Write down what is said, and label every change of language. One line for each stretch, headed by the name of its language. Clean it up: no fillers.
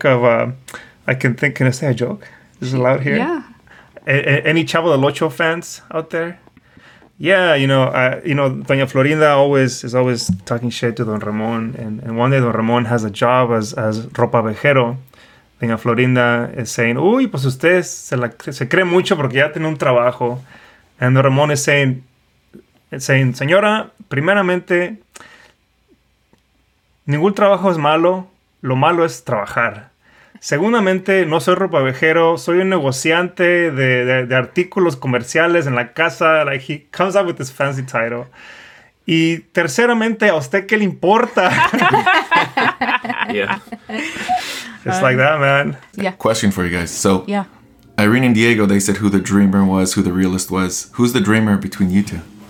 English: Can I say a joke? This is allowed here. Yeah. Any Chavo del Ocho fans out there? Yeah, you know, Doña Florinda is always talking shit to Don Ramon, and one day Don Ramon has a job as ropa vejero.
Spanish: Doña Florinda is saying, "Uy, pues usted se cree mucho porque ya tiene un trabajo." And Don Ramon is saying, "Señora, primeramente, ningún trabajo es malo, lo malo es trabajar. Segundamente, no soy ropa vejero, soy un negociante de artículos comerciales en la casa."
English: Like, he comes up with this fancy title.
Spanish: "Y terceramente, ¿a usted qué le importa?"
English: Yeah. It's like that, man. Yeah. Question for you guys. So, yeah. Irene and Diego, they said who the dreamer was, who the realist was. Who's the dreamer between you two?